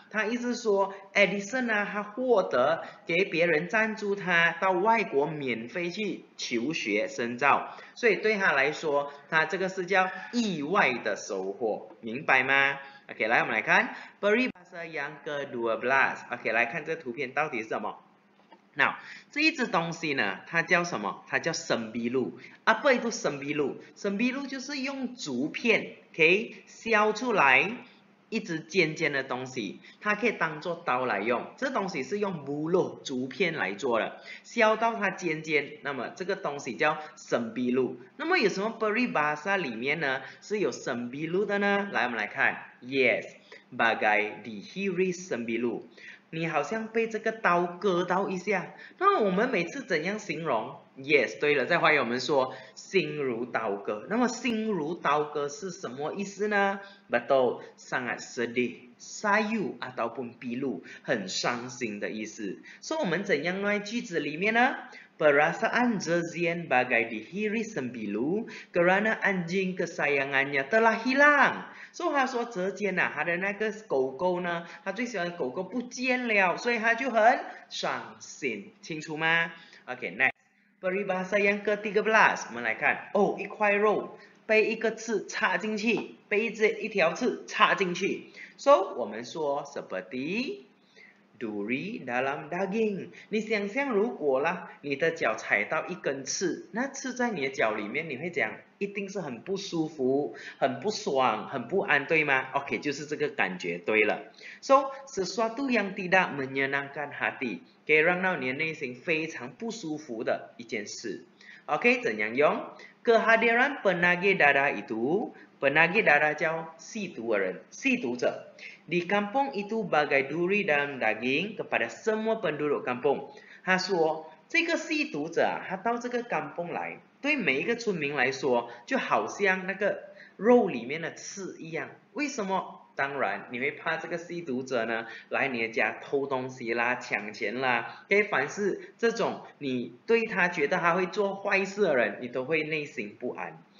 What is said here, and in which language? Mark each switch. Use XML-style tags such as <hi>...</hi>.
<zh>它意思说 Edison 啊，他获得给别人赞助他到外国免费去求学深造，所以对他来说，他这个是叫意外的收获，明白吗？ OK， 来我们来看</zh> <ms>peribahasa yang ke-12。</ms> <zh>OK， 来看这图片到底是什么。Now 这一只东西呢，它叫什么？它叫</zh> <ms>sembilu。Apa itu sembilu？</ms> <zh>Sembilu 就是用竹片 OK 削出来一只尖尖的东西，它可以当做刀来用。这东西是用 bulu 竹片来做的，削到它尖尖，那么这个东西叫 sembilu。那么有什么 peribahasa 里面呢是有 sembilu 的呢？来我们来看。 Yes，</zh> <ms>bagai dihiris sembilu，</ms> <zh>你好像被这个刀割到一下。那我们每次怎样形容？Yes， 对了，在华语我们说心如刀割。那么心如刀割是什么意思呢？</zh> <ms>Betul， sangat sedih， sayu ataupun pilu，</ms> <zh>很伤心的意思。所以我们怎样用在句子里面呢？</zh> <ms>Perasaan jezien bagai dihiris sembilu kerana anjing kesayangannya telah hilang。</ms> <zh>所以他说泽坚啊，他的那个狗狗呢，他最喜欢狗狗不见了，所以他就很伤心，清楚吗？</zh> <ms>OK， next peribahasa yang ke-13，</ms> <zh>我们来看。哦，一块肉被一个刺插进去，被一条刺插进去。 So 我们说</zh> <ms>seperti duri dalam daging，</ms> <zh>你想象如果啦，你的脚踩到一根刺，那刺在你的脚里面，你会怎样？一定是很不舒服，很不爽，很不安，对吗？ OK， 就是这个感觉，对了。So</zh> <ms>sesuatu yang tidak menyenangkan hati，</ms> <zh>可以让到你的内心非常不舒服的一件事。 OK， 怎样用？</zh> <ms>Kehadiran penagih darah itu， penagih darah</ms> <zh>叫吸毒的人，吸毒者。</zh> <ms>Di kampung itu bagai duri dalam daging kepada semua penduduk kampung。</ms> <zh>他说这个吸毒者啊，他到这个甘蹦来，对每一个村民来说就好像那个肉里面的刺一样。为什么？当然你会怕这个吸毒者呢来你的家偷东西啦，抢钱啦，给凡是这种你对他觉得他会做坏事的人，你都会内心不安。</zh>